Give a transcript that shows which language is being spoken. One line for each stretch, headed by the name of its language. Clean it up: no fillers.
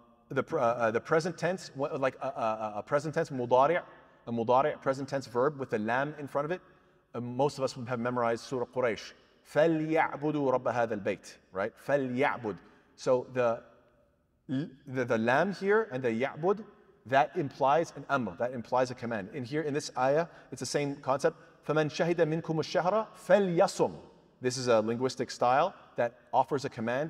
English: The present tense, like a present tense, mudari' present tense verb with a lam in front of it. Most of us would have memorized Surah Quraysh.
Arabic: فَلْيَعْبُدُوا رَبَّ هَذَا الْبَيْتِ Right?
English: فَلْيَعْبُدْ So the lam here and the ya'bud, that implies an amr, that implies a command. In here, in this ayah, it's the same concept.
Arabic: فَمَنْ شَهِدَ مِنْكُمُ الشَّهْرَ فَلْيَصُمْ
English: This is a linguistic style that offers a command.